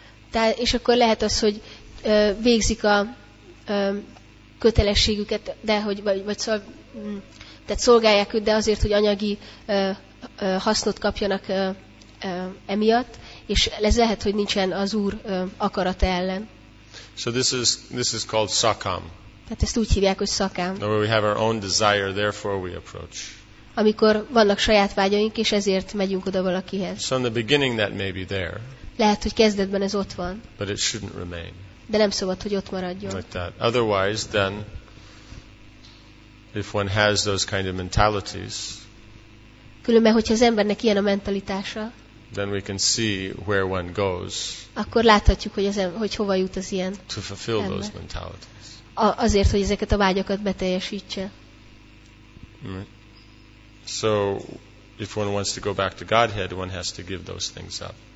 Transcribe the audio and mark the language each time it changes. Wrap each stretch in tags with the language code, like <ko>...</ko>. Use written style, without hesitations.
<hu>Tehát és akkor lehet az, hogy végzik a kötelességüket, de hogy vagy szóval, tehát szolgálják őt, de azért, hogy anyagi hasznot kapjanak emiatt, és ez lehet, hogy nincsen az Úr akarata ellen.</hu> <en>So this is called sakam.</en> <hu>Tehát ezt úgy hívják, hogy sakam.</hu> <en>Now we have our own desire, therefore we approach.</en> <hu>Amikor vannak saját vágyaink, és ezért megyünk oda valakihez.</hu> <en>So in the beginning that may be there.</en> <hu>Lehet, hogy kezdetben ez ott van.</hu> <en>But it shouldn't remain.</en> <hu>De nem szabad, hogy ott maradjon.</hu> <en>Like that. Otherwise, then, if one has those kind of mentalities.</en> <hu>Különben, hogyha az embernek ilyen a mentalitása,</hu> <en>then we can see where one goes,</en> <hu>akkor láthatjuk, hogy, hogy hova jut az ilyen</hu> <en>to fulfill</en> <hu>ember.</hu> <en>Those mentalities.</en> <hu>Azért, hogy ezeket a vágyakat beteljesítse.</hu> <en>Right. So, if one wants to go back to Godhead, one has to give those things up.</en>